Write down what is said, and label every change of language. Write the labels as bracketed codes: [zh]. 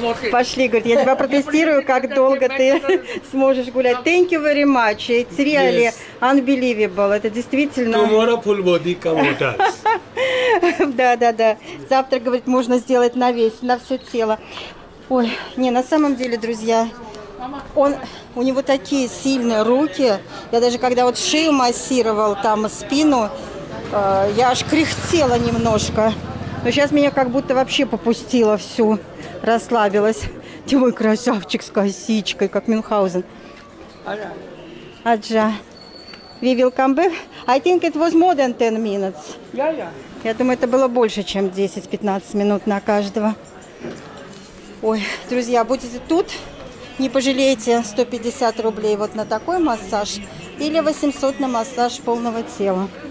[ru] Пошли, говорит, я тебя протестирую, как долго ты сможешь гулять. [en] Thank you very much. It's really unbelievable. [ru] Это действительно... [en] Tomorrow full body come with us. [ru] Да, да, да. Завтра, говорит, можно сделать на весь, на все тело. Ой, не, на самом деле, друзья, он, у него такие сильные руки. Я даже когда вот шею массировал, там спину, я аж кряхтела немножко. Но сейчас меня как будто вообще попустило всю, расслабилась. Ты мой красавчик с косичкой, как Мюнхгаузен. [hi] Аджа. [en] We will come back. I think it was more than 10 minutes. Yeah, yeah. [ru] Я думаю, это было больше, чем 10-15 минут на каждого. Ой, друзья, будете тут, не пожалеете 150 рублей вот на такой массаж или 800 на массаж полного тела.